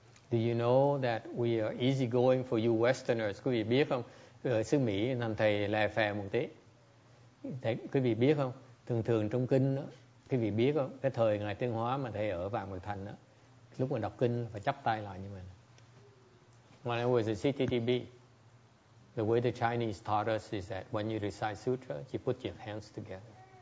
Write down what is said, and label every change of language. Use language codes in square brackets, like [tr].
[en] Do you know that we are easygoing for you Westerners? [vi] Quý vị biết không? Ở xứ Mỹ, thằng thầy lè phè một tí. Thầy, quý vị biết không, thường thường trong kinh đó, quý vị biết không, cái thời ngày Tuyên Hóa mà thầy ở Vạn Mực Thành đó, lúc mà đọc kinh phải chắp tay lại như vậy. [en] When I was at CTTB, the way the Chinese taught us is that when you recite sutra, you put your hands together.